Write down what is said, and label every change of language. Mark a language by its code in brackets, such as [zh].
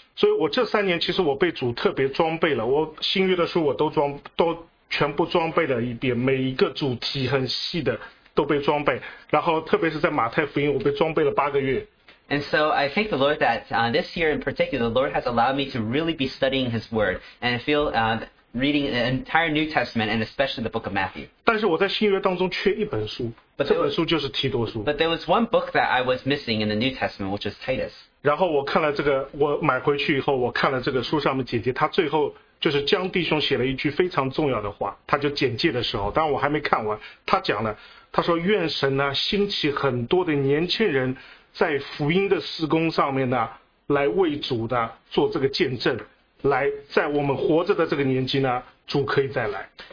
[zh] 所以我这三年其实我被主特别装备了，我新约的书我都装都。全部装备了一遍，每一个主题很细的都被装备，然后特别是在马太福音，我被装备了八个月。 [en] And so I thank the Lord that this year in particular, the Lord has allowed me to really be studying His Word and feel reading the entire New Testament and especially the Book of Matthew. [zh] 但是我在新约当中缺一本书， [en] but、 [zh] 这本书就是提多书。 [en] But there was one book that I was missing in the New Testament, which was Titus. [zh] 然后我看了这个，我买回去以后，我看了这个书上面简介，他最后。就是江弟兄写了一句非常重要的话，他就简介的时候，当然我还没看完，他讲了，他说愿神呢兴起很多的年轻人在福音的事工上面呢，来为主的做这个见证，来在我们活着的这个年纪呢，主可以再来。